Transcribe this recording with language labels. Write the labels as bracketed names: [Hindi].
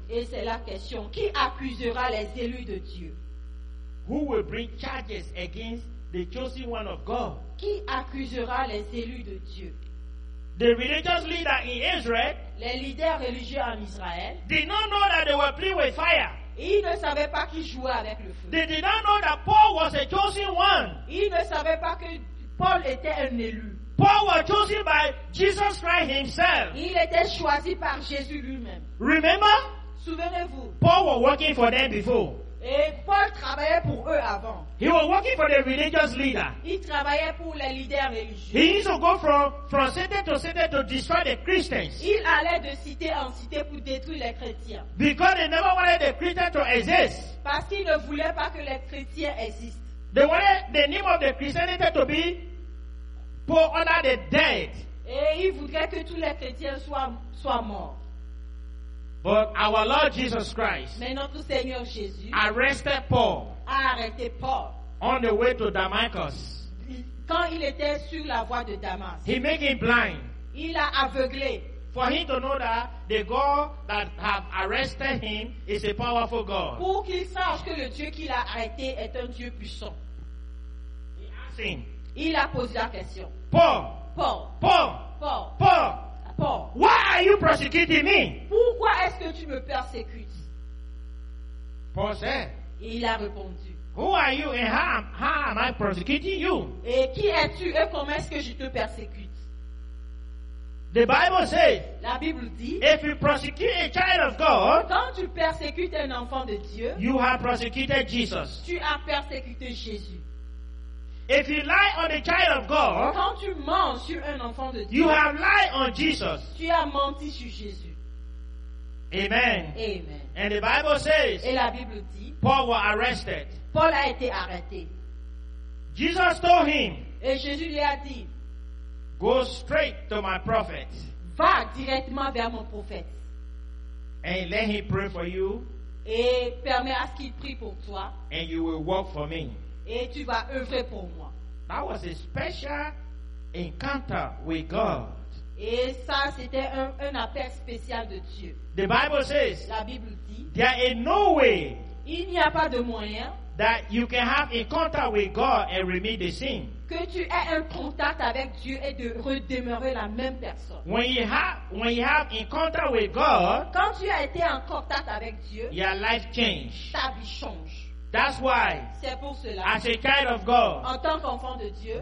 [French] Et c'est la question. Qui accusera les élus de Dieu? [English] Who will bring charges against the chosen one of God? [French] Qui accusera les élus de Dieu? [English] The religious leader in Israel. [French] Les leaders religieux en Israël. [English] Did not know that they were playing with fire. [French] Ils ne savaient pas qu'ils jouaient avec le feu. [English] They did not know that Paul was a chosen one. [French] Ils ne savaient pas que Paul était un élu. [English] Paul was chosen by Jesus Christ himself. [French] Il était choisi par Jésus lui-même. [English] Remember? [French] Souvenez-vous. [English] Paul was working for them before. [French] Et Paul travaillait pour eux avant. [English] He was working for the religious leader. [French] Il travaillait pour les leaders religieux. [English] He used to go from city to city to destroy the Christians. [French] Il allait de cité en cité pour détruire les chrétiens. [English] Because they never wanted the Christians to exist. [French] Parce qu'ils ne voulaient pas que les chrétiens existent. [English] They wanted the name of the Christianity to be pour honor the dead. [French] Et il voudrait que tous les chrétiens soient morts. [English] But our Lord Jesus Christ, [French] mais notre Seigneur Jésus, [English] arrested Paul, [French] a arrêté Paul [English] on the way to Damascus. [French] Quand il était sur la voie de Damas, [English] he made him blind. [French] Il l'a aveuglé. [English] For him to know that the God that have arrested him is a powerful God. [French] Pour qu'il sache que le Dieu qui l'a arrêté est un Dieu puissant. [English] He asked him. [French] Il a posé la question. [English] Paul. Why are you persecuting me? [French] Pourquoi est-ce que tu me persécutes? [English] Paul said. [French] Il a répondu. [English] Who are you and how am I persecuting you? [French] Et qui es-tu et comment est-ce que je te persécute? [English] The Bible says. [French] La Bible dit. [English] If you persecute a child of God. [French] Quand tu persécutes un enfant de Dieu. [English] You have persecuted Jesus. [French] Tu as persécuté Jésus. [English] If you lie on a child of God, [French] quand tu mens sur un enfant de Dieu, [English] you have lied on Jesus. [French] Tu as menti sur Jésus. [English] Amen. [French] Amen. [English] And the Bible says, [French] et la Bible dit, [English] Paul was arrested. [French] Paul a été arrêté. [English] Jesus told him, [French] et Jésus lui a dit, [English] go straight to my prophet. [French] Va directement vers mon prophète. [English] And let him pray for you. [French] Et permet à ce qu'il prie pour toi. [English] And you will work for me. [French] Et tu vas œuvrer pour moi. [English] That was a special encounter with God. [French] Et ça, c'était un appel spécial de Dieu. [English] The Bible says, [French] la Bible dit, [English] there is no way, [French] il n'y a pas de moyen, [English] that you can have encounter with God and remain the same. [French] Que tu aies un contact avec Dieu et de redemeurer la même personne. [English] When you have encounter with God, [French] quand tu as été en contact avec Dieu, [English] your life change. [French] Ta vie change. [English] That's why, [French] c'est pour cela, [English] as a child of God, [French] en tant qu'enfant de Dieu,